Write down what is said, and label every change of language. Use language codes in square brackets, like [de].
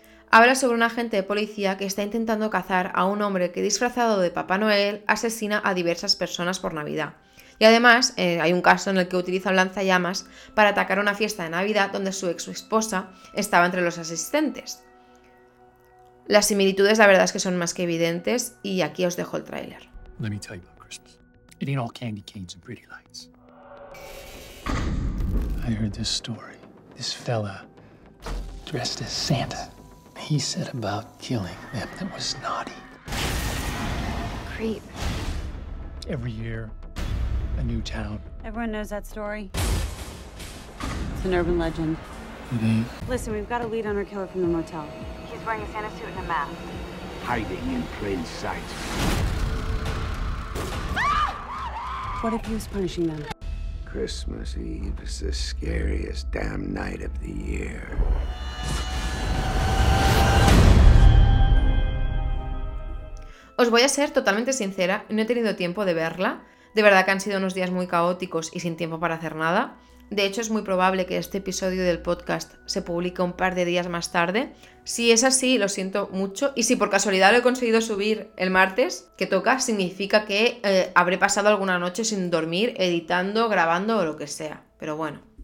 [es] Habla sobre un agente de policía que está intentando cazar a un hombre que, disfrazado de Papá Noel, asesina a diversas personas por Navidad. Y además, hay un caso en el que utiliza un lanzallamas para atacar una fiesta de Navidad donde su ex esposa estaba entre los asistentes. Las similitudes, la verdad, es que son más que evidentes y aquí os dejo el tráiler. [en] Let me tell you about Christmas. It ain't all candy canes and pretty lights. I heard this story. This fella dressed as Santa. He set about killing them that was naughty. Creep. Every year, a new town. Everyone knows that story. It's an urban legend. It ain't. Listen, we've got a lead on our killer from the motel. He's wearing a Santa suit and a mask. Hiding in plain sight. What if he was punishing them? Christmas Eve is the scariest damn night of the year. [es] Os voy a ser totalmente sincera, no he tenido tiempo de verla. De verdad que han sido unos días muy caóticos y sin tiempo para hacer nada. De hecho, es muy probable que este episodio del podcast se publique un par de días más tarde. Si es así, lo siento mucho. Y si por casualidad lo he conseguido subir el martes, que toca, significa que habré pasado alguna noche sin dormir, editando, grabando o lo que sea. Pero bueno.